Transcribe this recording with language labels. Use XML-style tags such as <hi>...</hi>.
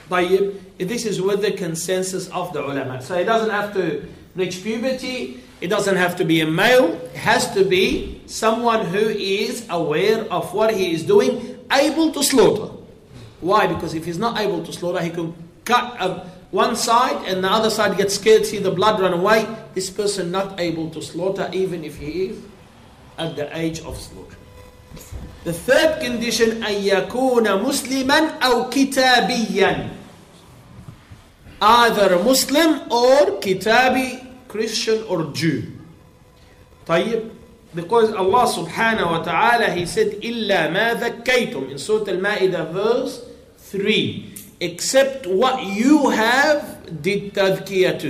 <en>Tayyib, this is with the consensus of the ulama. So it doesn't have to reach puberty, it doesn't have to be a male, it has to be someone who is aware of what he is doing, able to slaughter. Why? Because if he's not able to slaughter, he can cut one side and the other side gets scared, see the blood run away. This person not able to slaughter, even if he is at the age of slaughter. The third condition,</en> <ar>أن يكون مسلما أو كتابيا.</ar> <en>Either Muslim or كتابي, Christian or Jew.</en> <ar>طيب.</ar> <en>Because Allah subhanahu wa ta'ala, He said,</en> <ar>إِلَّا مَا ذَكَّيْتُمْ</ar> <en>in Surah Al-Ma'idah verse 3. Except what you have did تَذْكِيَةُ to.</en>